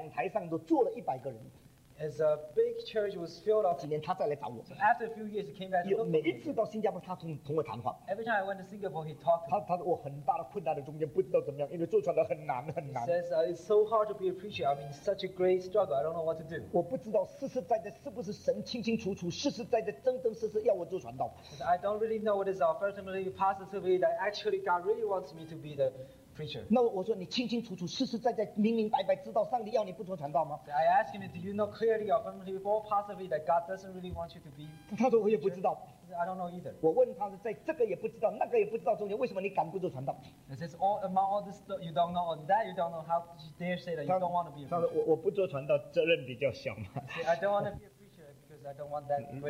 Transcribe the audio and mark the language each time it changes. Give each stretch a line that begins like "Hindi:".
Chinese: 那个很大的礼拜堂坐得满满，连讲台上都坐了100个人。
English: As a big church was filled up,
Chinese: 几年他再来找我,
English: so after a few years he came back to look.
Chinese: 每一次到新加坡他同我谈话,
English: every time I went to Singapore he talked to me.
Chinese: 我很大的困难的中间不知道怎么样, 因为坐船的很难很难。
English: He says it's so hard to be a preacher, I'm in such a great struggle, I don't know what to do.
Chinese: 我不知道实实在在是不是神清清楚楚实实在在真真实实要我坐船道。
English: I don't really know what is ultimately positively that actually God really wants me to be the preacher.
Chinese: 那我说你清清楚楚实实在在明明白白知道上帝要你不做传道吗？
English: I asked him, do you know clearly or firmly or possibly that God doesn't really want you to be?
Chinese: 他说我也不知道。
English: I don't know either.
Chinese: 我问他是在这个也不知道，那个也不知道中间，为什么你敢不做传道？
English: It says all among all this you don't know, and that you don't know, how you dare say that you don't want to be a preacher?
Chinese: 他说我不做传道，责任比较小嘛。
English: See, I don't want to be a preacher because I don't want that.